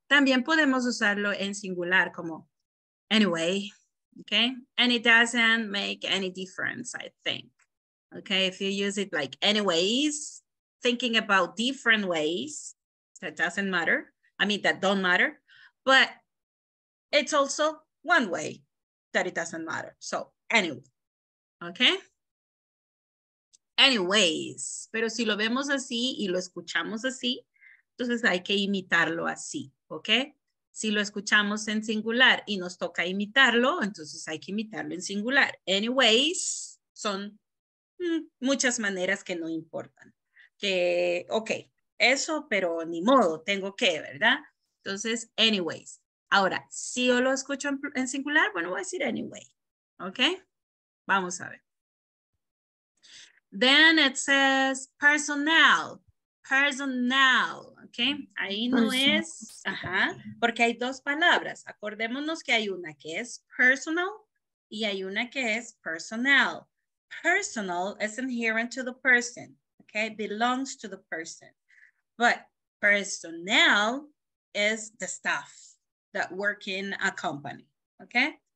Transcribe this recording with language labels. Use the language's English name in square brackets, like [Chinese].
[Spanish] También podemos usarlo en singular como anyway, okay? [English] And it doesn't make any difference, I think. Okay, if you use it like anyways, thinking about different ways, that doesn't matter. I mean, that don't matter, but it's also one way that it doesn't matter. So anyway, okay? [Spanish] Anyways, pero si lo vemos así y lo escuchamos así, entonces hay que imitarlo así, okay? Si lo escuchamos en singular y nos toca imitarlo, entonces hay que imitarlo en singular. Anyways, son muchas maneras que no importan. Que, ok, eso, pero ni modo, tengo que, ¿verdad? Entonces, anyways. Ahora, si yo lo escucho en singular, bueno, voy a decir anyway. Ok, vamos a ver. [English] Then it says personnel. [Spanish] Personnel, ok. Ahí no es, ajá, porque hay dos palabras. Acordémonos que hay una que es personal y hay una que es personnel. [English] Personal is inherent to the person, okay? Belongs to the person. But personnel is the staff that work in a company, okay?